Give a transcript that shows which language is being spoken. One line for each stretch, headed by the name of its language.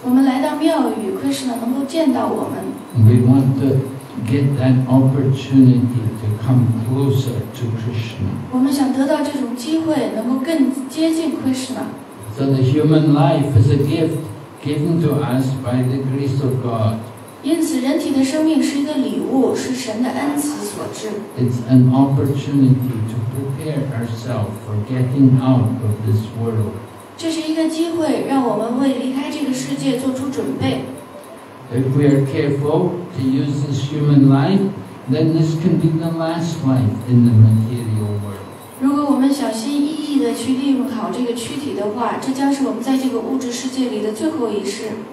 Chinese: 我们来到庙宇， Krishna 能够见到我们。
English: We want to get that opportunity to come closer to Krishna.
Chinese: 我们想得到这种机会，能够更接近 Krishna.
English: So the human life is a gift given to us by the grace of God.
Chinese: 因此人体的生命是一个礼物，是神的恩慈所致。
English: It's an opportunity to prepare ourselves for getting out of this world.
Chinese: 这是一个机会，让我们为离开这个世界做出准备。
English: If we are careful to use this human life, then this can be the last life in the material world.
Chinese: 如果我们小心翼翼地去利用好这个躯体的话，这将是我们在这个物质世界里的最后一世。